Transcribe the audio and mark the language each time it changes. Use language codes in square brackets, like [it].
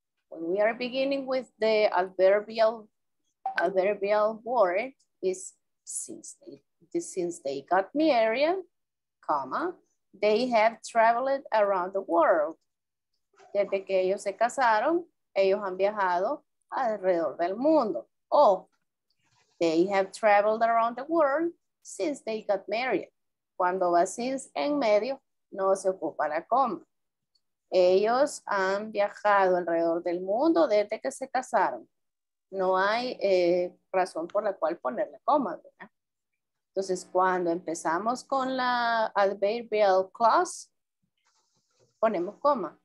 [en] When we are beginning with the adverbial word is since they got married, comma, they have traveled around the world. [es] Desde que ellos se casaron, ellos han viajado alrededor del mundo. [en] Oh, they have traveled around the world since they got married. [es] Cuando va since en medio, no se ocupa la coma. Ellos han viajado alrededor del mundo desde que se casaron. No hay razón por la cual poner la coma, ¿verdad? Entonces, cuando empezamos con la adverbial clause, ponemos coma.